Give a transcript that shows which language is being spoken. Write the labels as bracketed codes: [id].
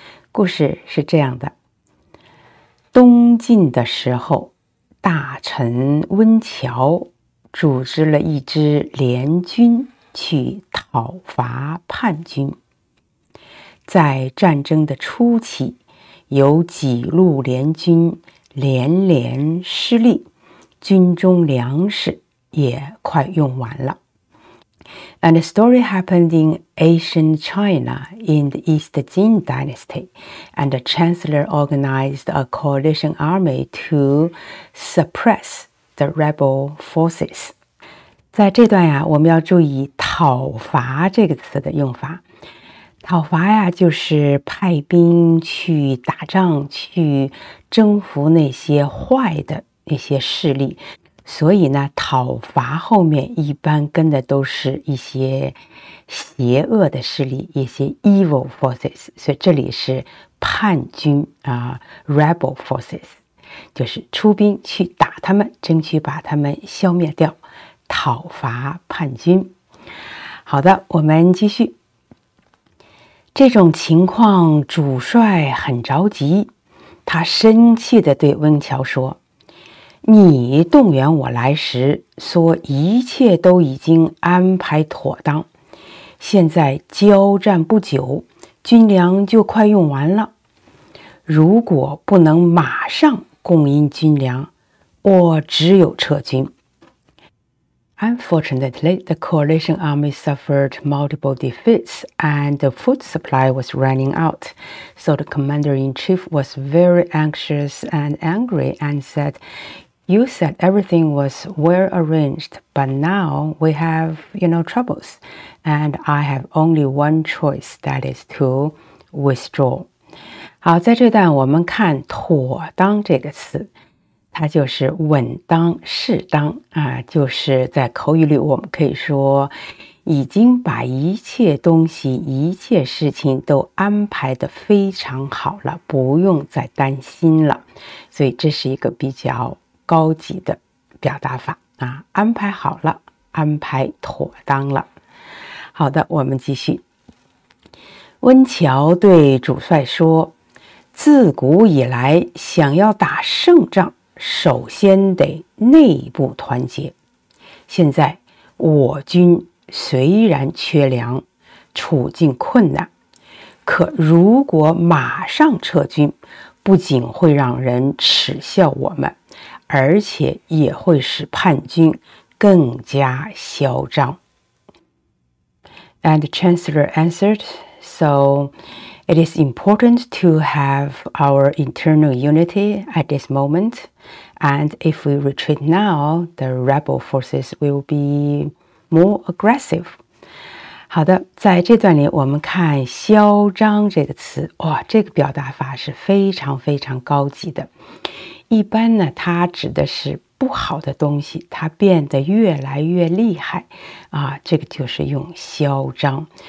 [zh] 故事是这样的：东晋的时候，大臣温峤组织了一支联军去讨伐叛军。在战争的初期，有几路联军连连失利，军中粮食也快用完了。 [en] And the story happened in ancient China in the East Jin Dynasty, and the chancellor organized a coalition army to suppress the rebel forces. [zh] 在这段呀，我们要注意讨伐这个词的用法。讨伐呀，就是派兵去打仗，去征服那些坏的那些势力，所以呢，讨伐后面一般跟的都是一些邪恶的势力，一些 [en] evil forces， [zh] 所以这里是叛军啊， [en] rebel forces， [zh] 就是出兵去打他们，争取把他们消灭掉，讨伐叛军。好的，我们继续。这种情况，主帅很着急，他生气地对温峤说，你动员我来时说一切都已经安排妥当，现在交战不久，军粮就快用完了，如果不能马上供应军粮，我只有撤军。 [en] Unfortunately, the coalition army suffered multiple defeats and the food supply was running out, so the commander-in-chief was very anxious and angry and said,You said everything was well arranged, but now we have, you know, troubles, and I have only one choice, that is to withdraw. [zh] 好，在这段我们看妥当这个词，它就是稳当、适当啊，就是在口语里我们可以说已经把一切东西、一切事情都安排得非常好了，不用再担心了。所以这是一个比较高级的表达法啊，安排好了，安排妥当了。好的，我们继续。温峤对主帅说，自古以来想要打胜仗，首先得内部团结，现在我军虽然缺粮，处境困难，可如果马上撤军，不仅会让人耻笑我们，而且也会使叛军更加嚣张。 [en] And the chancellor answered, So it is important to have our internal unity at this moment, and if we retreat now, the rebel forces will be more aggressive. [zh] 好的，在这段里我们看嚣张这个词，哇，这个表达法是非常非常高级的。一般呢，它指的是不好的东西，它变得越来越厉害啊，这个就是用嚣张。